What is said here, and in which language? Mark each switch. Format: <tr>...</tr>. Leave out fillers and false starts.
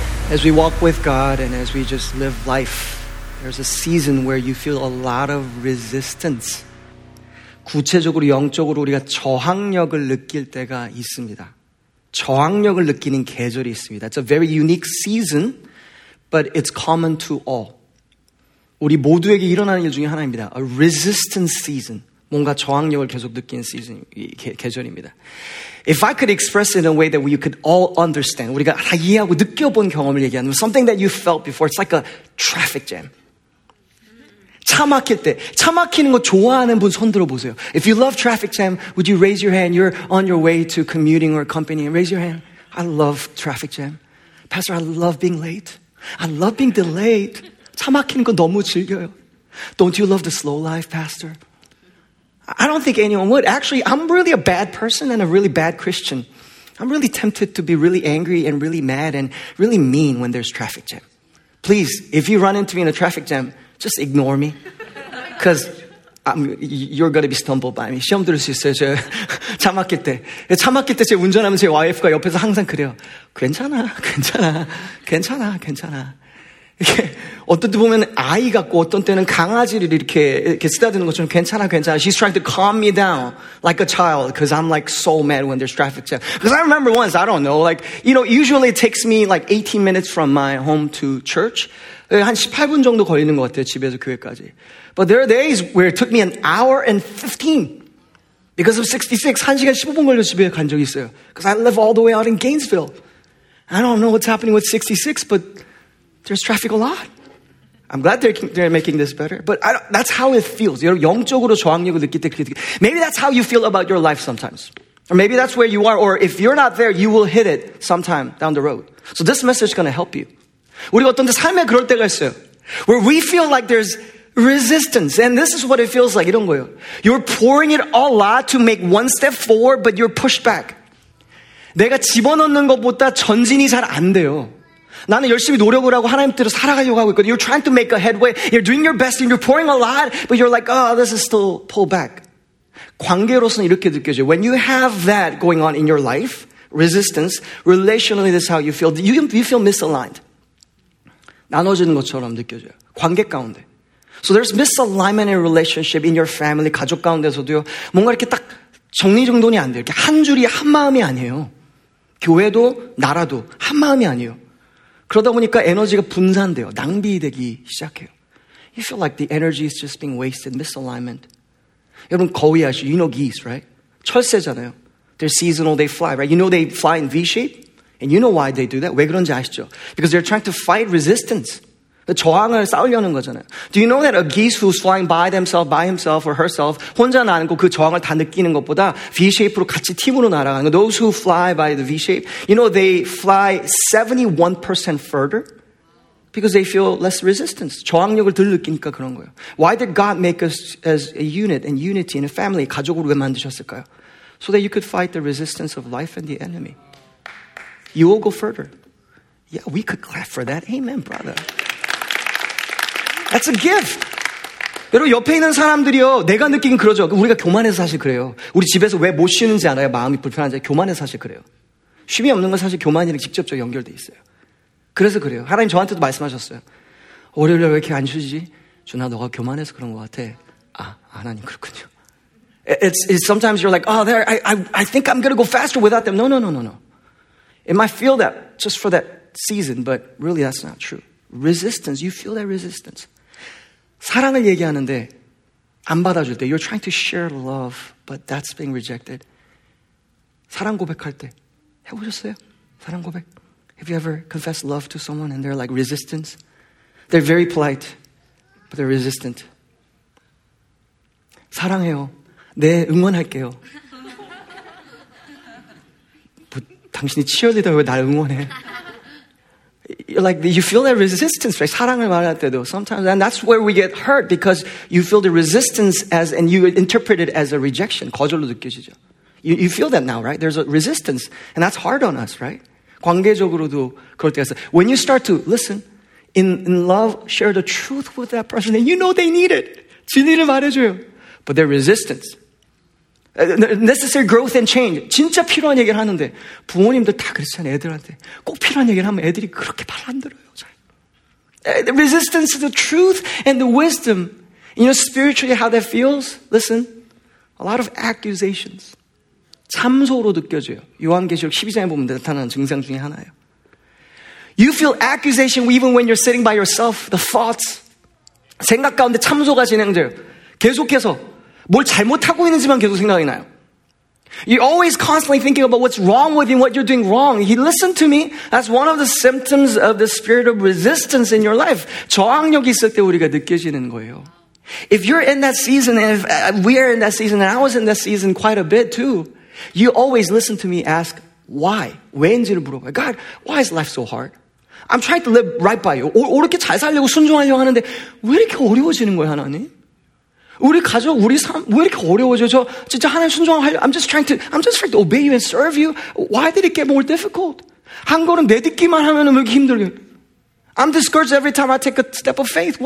<en>As we walk with God and as we just live life, there's a season where you feel a lot of resistance.</en> <ko>구체적으로 영적으로 우리가 저항력을 느낄 때가 있습니다. 저항력을 느끼는 계절이 있습니다.</ko> <en>It's a very unique season, but it's common to all.</en> <ko>우리 모두에게 일어나는 일 중에 하나입니다.</ko> <en>A resistance season.</en> <ko>뭔가 저항력을 계속 느끼는 시즌, 계절입니다.</ko> <en>If I could express it in a way that we could all understand,</en> <ko>우리가 다 이해하고 느껴본 경험을 얘기하는,</ko> <en>something that you felt before, it's like a traffic jam.</en> <ko>차 막힐 때, 차 막히는 거 좋아하는 분 손들어 보세요.</ko> <en>If you love traffic jam, would you raise your hand? You're on your way to commuting or company, raise your hand. I love traffic jam. Pastor, I love being late. I love being delayed.</en> <ko>차 막히는 거 너무 즐겨요.</ko> <en>Don't you love the slow life, Pastor? I don't think anyone would. Actually, I'm really a bad person and a really bad Christian. I'm really tempted to be really angry and really mad and really mean when there's traffic jam. Please, if you run into me in a traffic jam, just ignore me. Because you're going to be stumbled by me.</en> <ko>시험 들을 수 있어요, 저 차 막힐 때. 차 막힐 때 제 운전하면서 제 와이프가 옆에서 항상 그래요. 괜찮아, 괜찮아, 괜찮아, 괜찮아. 이렇게 어떤 때 보면 아이 같고 어떤 때는 강아지를 이렇게 쓰다듬는 것처럼 괜찮아 괜찮아.</ko> <en>She's trying to calm me down like a child because I'm like so mad when there's traffic jam. Because I remember once, I don't know, like, you know, usually it takes me like 18 minutes from my home to church. 한 18분 정도 걸리는 것 같아요. 집에서 교회까지. But there are days where it took me an hour and 15 because of 66. 1시간 15분 걸려 집에 간 적이 있어요. Because I live all the way out in Gainesville. I don't know what's happening with 66, but there's traffic a lot. I'm glad they're making this better. But that's how it feels.</en> <ko>You know, 영적으로 저항력을 느낄 때 그렇게.</ko> <en>Maybe that's how you feel about your life sometimes. Or maybe that's where you are. Or if you're not there, you will hit it sometime down the road. So this message is going to help you.</en> <ko>우리가 어떤 데 삶에 그럴 때가 있어요.</ko> <en>Where we feel like there's resistance. And this is what it feels like.</en> <ko>이런 거예요.</ko> <en>You're pouring it all out to make one step forward, but you're pushed back.</en> <ko>내가 집어넣는 것보다 전진이 잘 안 돼요. 나는 열심히 노력을 하고 하나님 뜻으로 살아가려고 하고 있거든.</ko> <en>You're trying to make a headway. You're doing your best and you're pouring a lot, but you're like, oh, this is still pull back.</en> <ko>관계로서는 이렇게 느껴져요.</ko> <en>When you have that going on in your life, resistance, relationally, this is how you feel. You feel misaligned.</en> <ko>나눠지는 것처럼 느껴져요. 관계 가운데.</ko> <en>So there's misalignment in relationship, in your family,</en> <ko>가족 가운데서도요. 뭔가 이렇게 딱 정리정돈이 안 돼요. 이렇게 한 줄이 한 마음이 아니에요. 교회도 나라도 한 마음이 아니에요. 그러다 보니까 에너지가 분산돼요. 낭비되기 시작해요.</ko> <en>You feel like the energy is just being wasted, misalignment.</en> <ko>여러분, 거위 아시죠?</ko> <en>You know geese, right?</en> <ko>철새잖아요.</ko> <en>They're seasonal, they fly, right? You know they fly in V-shape? And you know why they do that?</en> <ko>왜 그런지 아시죠?</ko> <en>Because they're trying to fight resistance.</en> <ko>저항을 싸우려는 거잖아요.</ko> <en>Do you know that a geese who's flying by themselves, by himself or herself,</en> <ko>혼자 나는 거 그 저항을 다 느끼는 것보다 V-shape로 같이 팀으로 날아가는 거.</ko> <en>Those who fly by the V-shape, you know they fly 71% further because they feel less resistance.</en> <ko>저항력을 덜 느끼니까 그런 거예요.</ko> <en>Why did God make us as a unit and unity in a family?</en> <ko>가족으로 왜 만드셨을까요?</ko> <en>So that you could fight the resistance of life and the enemy. You will go further. Yeah, we could clap for that. Amen, brother. That's a gift.</en> <ko>여러분 옆에 있는 사람들이요. 내가 느끼긴 그러죠. 우리가 교만해서 사실 그래요. 우리 집에서 왜 못 쉬는지 알아요. 마음이 불편한지. 교만해서 사실 그래요. 쉼이 없는 건 사실 교만이랑 직접적으로 연결돼 있어요. 그래서 그래요. 하나님 저한테도 말씀하셨어요. 월요일에 왜 이렇게 안 쉬지? 준아 너가 교만해서 그런 것 같아. 아 하나님 그렇군요.</ko> <en>It's sometimes you're like, oh, there. I think I'm gonna go faster without them. No. It might feel that just for that season, but really that's not true. Resistance. You feel that resistance.</en> <ko>사랑을 얘기하는데 안 받아줄 때</ko> <en>You're trying to share love but that's being rejected.</en> <ko>사랑 고백할 때 해보셨어요? 사랑 고백?</ko> <en>Have you ever confessed love to someone and they're like resistance? They're very polite but they're resistant.</en> <ko>사랑해요. 네, 응원할게요. 뭐, 당신이 치어리더 왜 날 응원해?</ko> <en>Like you feel that resistance, right?</en> <ko>사랑을 말할 때도</ko> <en>sometimes, and that's where we get hurt because you feel the resistance as, and you interpret it as a rejection.</en> <ko>거절로 느껴지죠.</ko> <en>You feel that now, right? There's a resistance, and that's hard on us, right?</en> <ko>관계적으로도 그럴 때가 있어요.</ko> <en>When you start to listen in love, share the truth with that person, and you know they need it.</en> <ko>진리를 말해줘요.</ko> <en>But their resistance. necessary growth and change.</en> <ko>진짜 필요한 얘기를 하는데 부모님들 다 그렇잖아요. 애들한테 꼭 필요한 얘기를 하면 애들이 그렇게 발 안 들어요.</ko> <en>The resistance to the truth and the wisdom. You know spiritually how that feels? Listen, a lot of accusations.</en> <ko>참소로 느껴져요. 요한계시록 12장에 보면 나타나는 증상 중에 하나예요.</ko> <en>You feel accusation even when you're sitting by yourself. The thoughts.</en> <ko>생각 가운데 참소가 진행돼요. 계속해서 뭘 잘못하고 있는지만 계속 생각이 나요.</ko> <en>You're always constantly thinking about what's wrong with you, what you're doing wrong. He listened to me. That's one of the symptoms of the spirit of resistance in your life.</en> <ko>저항력이 있을 때 우리가 느껴지는 거예요.</ko> <en>If you're in that season, and if we are in that season, and I was in that season quite a bit too, you always listen to me ask why.</en> <ko>왜인지를 물어봐요.</ko> <en>God, why is life so hard? I'm trying to live right by you.</en> <ko>이렇게 잘 살려고 순종하려고 하는데 왜 이렇게 어려워지는 거예요, 하나님? 우리 가족, 우리 삶, 왜 이렇게 어려워져? 저 진짜 하나님 순종하려</ko> <en>I'm just trying to obey you and serve you. Why did it get more difficult?</en> <ko>한 걸음 내딛기만 하면 왜 이렇게 힘들게?</ko> <en>I'm discouraged every time I take a step of faith.</en>